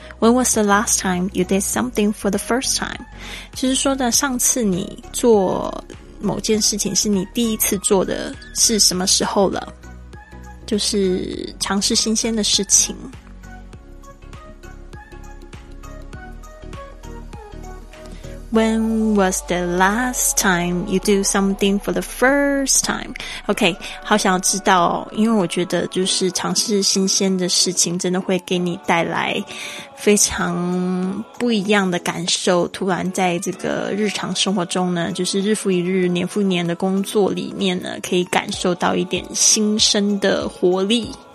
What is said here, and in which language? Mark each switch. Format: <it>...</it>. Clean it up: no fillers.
<en>When was the last time you did something for the first time?</en> <zh>就是说的上次你做某件事情是你第一次做的是什么时候了，就是尝试新鲜的事情。</zh> <en>When was the last time you do something for the first time?</en> <zh>OK, 好想要知道，因为我觉得就是尝试新鲜的事情真的会给你带来非常不一样的感受。突然在这个日常生活中呢，就是日复一日年复一年的工作里面呢，可以感受到一点新生的活力。</zh>